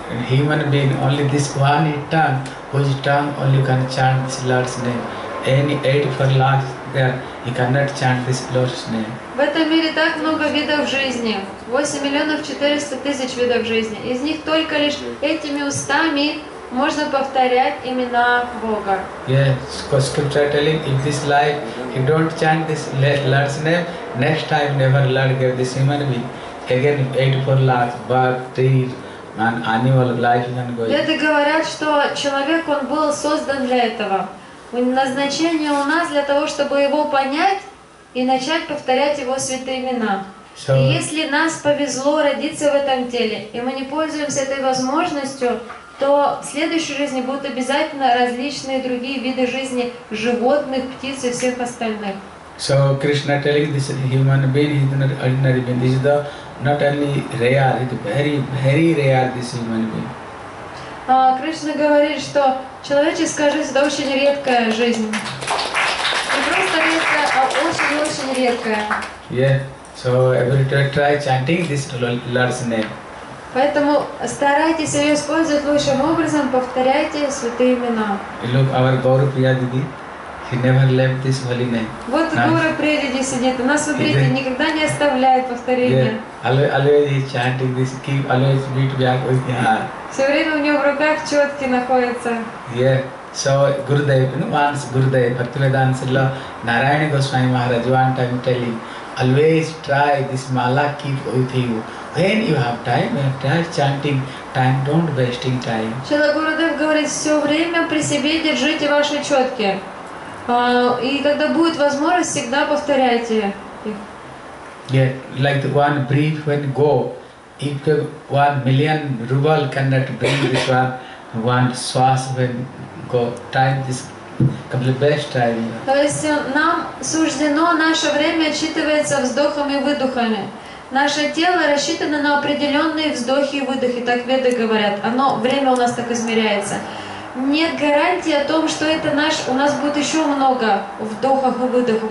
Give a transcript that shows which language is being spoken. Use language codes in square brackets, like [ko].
[en] Human being, only this one tongue, whose tongue only can chant this Lord's name. Any 8 lakhs there, he cannot chant this Lord's name. [ru] В этом мире так много видов жизни. 8 400 000 видов жизни. Из них только лишь этими устами можно повторять имена Бога. [en] Yes, because scripture telling, in this life, you don't chant this Lord's name, next time never Lord gave this human being. Again, 8 lakhs, birth, death, and animal life and going. [ru] Веды говорят, что человек он был создан для этого. Назначение у нас для того, чтобы его понять и начать повторять его святые имена. [en] So, [ru] и если нас повезло родиться в этом теле, и мы не пользуемся этой возможностью, то в следующей жизни будут обязательно различные другие виды жизни животных, птиц и всех остальных. [en] So Krishna telling this human being, he's not ordinary being, this is the not only rare, it's very, very rare this human being. [ru] Кришна говорит, что человеческая жизнь – это очень редкая жизнь. Не просто редкая, а очень-очень редкая. [en] Yeah, so everybody try chanting this Lord's name. [ru] Поэтому старайтесь ее использовать лучшим образом, повторяйте святые имена. [en] Look, our Gauru Priya Didi, he never left this holy name. [ru] Вот Гаура Прия Диди сидит, она, смотрите, никогда не оставляет повторения. [en] Yeah, always he's chanting this, keep always beat back with your heart. [ru] Все время у него в руках четки находятся. [en] Yeah. So Gurudev, you know, once Gurudev, Bhaktivedanta Srila Narayana Goswami Maharaj, one time telling, always try this mala, keep with you. When you have time, try chanting time, don't wasting time. [ru] Шрила Гурудев говорит, все время при себе держите ваши четки. И когда будет возможность, всегда повторяйте их. [en] Yeah, like the one brief when go, if the 1 million ruble cannot bring this one, one swas when go, time is completely best time. [ru] То есть нам суждено наше время отсчитывается вздохами и выдохами. Наше тело рассчитано на определенные вздохи и выдохи, так веды говорят. Оно время у нас так измеряется. Нет гарантии о том, что это наш, у нас будет еще много вдохов и выдохов.